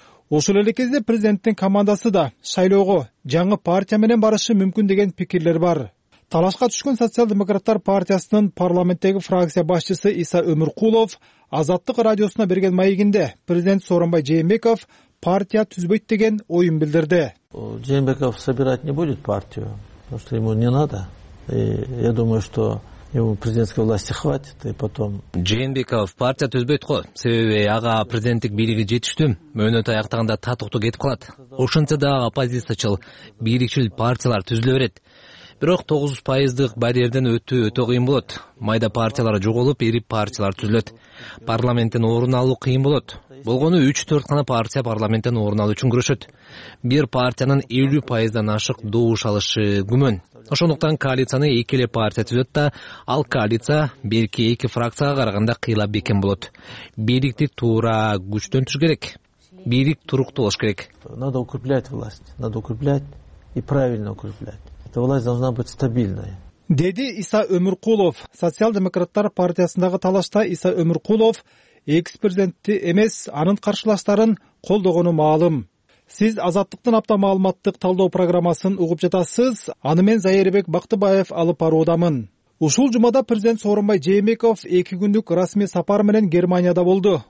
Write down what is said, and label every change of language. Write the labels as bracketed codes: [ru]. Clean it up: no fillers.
[ky] Ошол эле кезде президенттин командасы да шайлоого жаңы партия менен барышы мүмкүн деген пикирлер бар. Талашка түшкөн социал-демократтар партиясынын парламенттеги фракция башчысы Иса Өмүркулов Азаттык радиосуна берген маегинде президент Сооронбай Жээнбеков партия түзбөйт деген оюн билдирди. [ru] Жээнбеков собирать не будет партию, потому что ему не надо. И я думаю, что ему президентской власти хватит, и потом... [ky] Жээнбеков партия түзбөйт го, себеби ага президенттик бийлиги жетиштүү, мөөнөт аяктаганда татыктуу кетип калат. Ошентсе да оппозициячыл, бийликчил партиялар түзүлө берет. Бирок 9% барьерден өтүү өтө кыйын болот. Майда партиялар жоголуп, ири партиялар түзүлөт. Парламенттен орун алуу кыйын болот. Болгону 3-4 гана партия парламенттен орун алуу үчүн күрөшөт. Бир партиянын 50%дан ашык добуш алышы күмөн. Ошондуктан коалицияны эки эле партия түзөт да, ал коалиция белки 2 фракцияга караганда кыйла бекем болот. Бийликти туура күчтөн түш керек. Бийлик туруктуу болуш керек. [ru] Надо укреплять власть, надо укреплять и правильно укреплять. Власть должна быть стабильной. [ky] Деди Иса Өмүркулов. Социал-демократтар партиясындагы талашта Иса Өмүркулов экс-президентти эмес, анын каршыластарын колдогону маалым. Сиз Азаттыктын апта маалыматтык талдоо программасын угуп жатасыз. Аны мен Зайырбек Бактыбаев алып баруудамын. Ушул жумада президент Сооронбай Жээнбеков 2 күндүк расмий сапар менен Германияда болду.